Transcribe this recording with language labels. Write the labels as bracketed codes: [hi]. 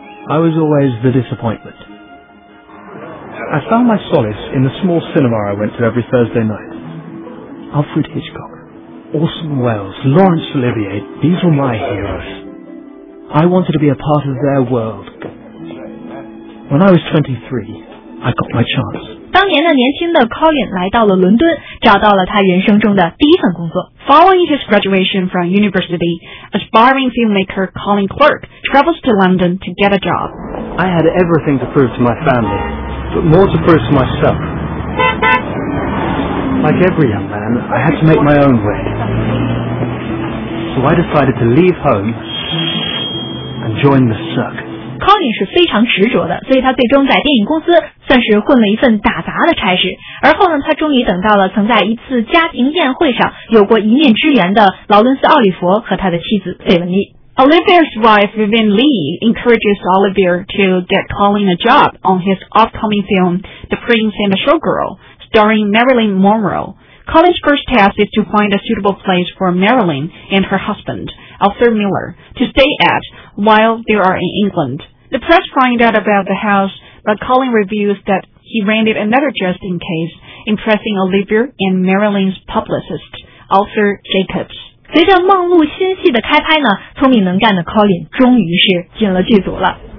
[en] I was always the disappointment. I found my solace in the small cinema I went to every Thursday night. Alfred Hitchcock, Orson Welles, Laurence Olivier, these were my heroes. I wanted to be a part of their world. When I was 23, I got my chance. [zh] 当年的年轻的 Colin 来到了伦敦，找到了他人生中的第一份工作。 [en] Following his graduation from university, aspiring filmmaker Colin Clark travels to London to get a job. I had everything to prove to my family. But more to prove to myself. Like every young man, I had to make my own way. So I decided to leave home and join the circus. [zh] Colin 是非常执着的，所以他最终在电影公司算是混了一份打杂的差事。而后呢，他终于等到了曾在一次家庭宴会上有过一面之缘的劳伦斯·奥利佛和他的妻子费雯丽。 [en] Olivier's wife Vivien Leigh encourages Olivier to get Colin a job on his upcoming film The Prince and the Showgirl, starring Marilyn Monroe. Colin's first task is to find a suitable place for Marilyn and her husband, Arthur Miller, to stay at while they are in England. The press find out about the house, but Colin reveals that he rented another just in case, impressing Olivier and Marilyn's publicist, Arthur Jacobs. [zh] 随着梦露新戏的开拍呢，聪明能干的 Colin 终于是进了剧组了。